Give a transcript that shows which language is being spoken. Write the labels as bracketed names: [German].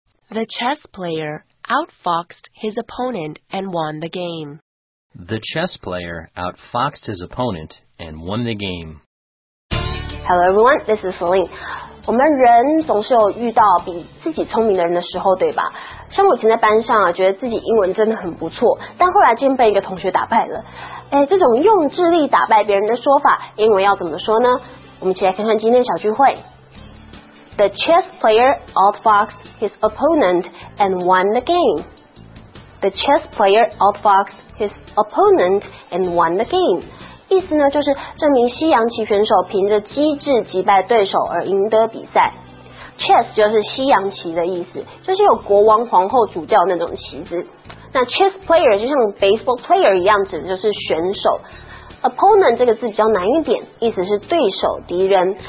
[English] The chess player outfoxed his opponent and won the game. The chess player outfoxed his opponent and won the game. Hello everyone, this is Celine. [Chinese] 我们人总是有遇到比自己聪明的人的时候，对吧？像我以前在班上啊，觉得自己英文真的很不错，但后来竟被一个同学打败了。哎，这种用智力打败别人的说法，英文要怎么说呢？我们一起来看看今天的小聚会。 [English] The chess player outfoxed his opponent and won the game. The chess player outfoxed his opponent and won the game. [Chinese] 意思呢，就是这名西洋棋选手凭着机智击败对手而赢得比赛。 Chess 就是西洋棋的意思，就是有国王、皇后、主教那种棋子。那 chess player 就像 baseball player 一样，指的就是选手。 Opponent 这个字比较难一点，意思是对手、敌人。